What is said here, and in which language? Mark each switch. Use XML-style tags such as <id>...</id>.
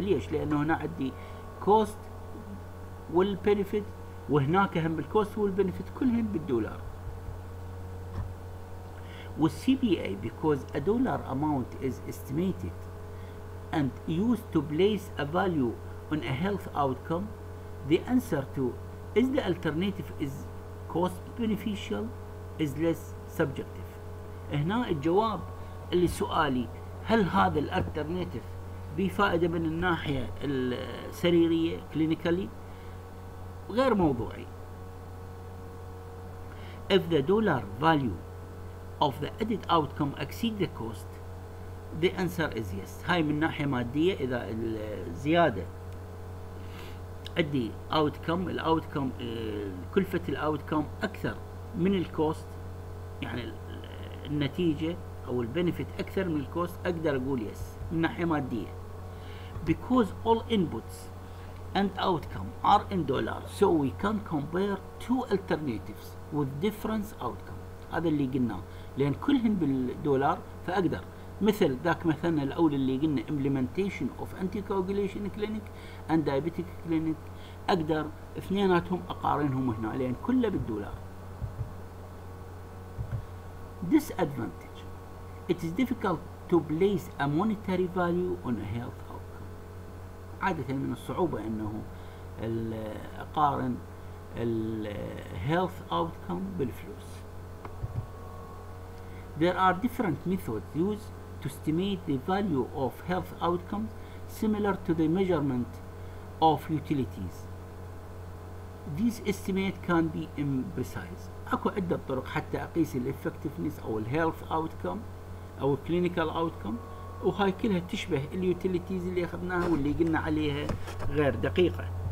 <ar>ليش؟ لأنه هنا عندي cost والبنفيت، وهناك هم الكوست والبنفيت كلهم بالدولار.</ar> <en>والCBA because a dollar amount is estimated and used to place a value on a health outcome, the answer to is the alternative is cost beneficial is less subjective.</en> <ar>هنا الجواب اللي سؤالي هل هذا الالترناتيف بفائدة من الناحية السريرية clinically غير موضوعي.</ar> <en>If the dollar value of the added outcome exceed the cost, the answer is yes.</en> <ar>هاي من ناحية مادية، إذا الزيادة أدي outcome، الoutcome كلفة الoutcome أكثر من الكوست، يعني النتيجة أو البنفيت أكثر من الكوست، أقدر أقول yes من ناحية مادية.</ar> <en>Because all inputs and outcome are in dollar, so we can compare two alternatives with different outcome.</en> <ar>هذا اللي قلنا، لان كلهم بالدولار فاقدر مثل ذاك مثلا الاول اللي قلنا</ar> <en>implementation of anticoagulation clinic and diabetic clinic،</en> <ar>اقدر اثنيناتهم اقارنهم هنا لان كله بالدولار.</ar> <en>Disadvantage. It is difficult to place a monetary value on a health.</en> <ar>عادة من الصعوبة انه اقارن الهيلث اوتكم بالفلوس.</ar> <en>There are different methods used to estimate the value of health outcomes similar to the measurement of utilities. These estimates can be imprecise.</en> <ar>اكو عدة طرق حتى اقيس الافكتفنس او الهيلث اوتكم او الكلينيكال اوتكم وهاي كلها تشبه اليوتيليتيز اللي اخذناها واللي قلنا عليها غير دقيقه.</ar>